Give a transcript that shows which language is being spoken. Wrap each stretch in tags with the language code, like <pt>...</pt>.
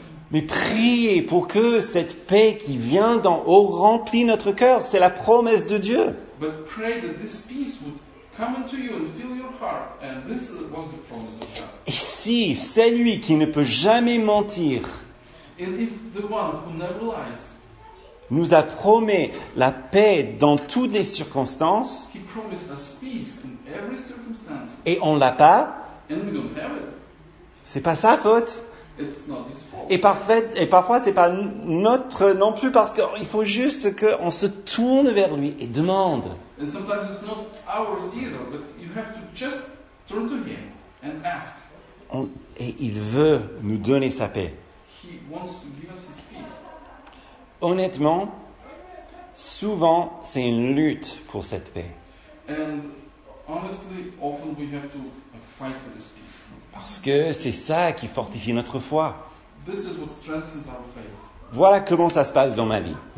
<fr>Mais priez pour que cette paix qui vient d'en haut remplisse notre cœur. C'est la promesse de Dieu.</fr> <en>But pray that this peace would come into you and fill your heart. And this was the promise of God.</en> <fr>Et si c'est lui qui ne peut jamais mentir.</fr> <en>And if the one who never lies</en> <fr>nous a promis la paix dans toutes les circonstances.</fr> <en>He promised us peace in every circumstance.</en> <fr>Et on ne l'a pas.</fr> <en>And we don't have it.</en> <fr>C'est pas sa faute.</fr> <en>It's not his fault.</en> <fr>Et parfois, c'est pas notre non plus, parce qu'il faut juste qu'on se tourne vers lui et demande.</fr> <en>And sometimes it's not ours either, but you have to just turn to him. and ask.</en> <fr>Et il veut nous donner sa paix.</fr> <en>He wants to give us his peace.</en> <fr>Honnêtement, souvent, c'est une lutte pour cette paix.</fr> <en>And honestly, often we have to fight for this peace.</en> <fr>Parce que c'est ça qui fortifie notre foi.</fr> <en>This is what strengthens our faith.</en> <fr>Voilà comment ça se passe dans ma vie.</fr>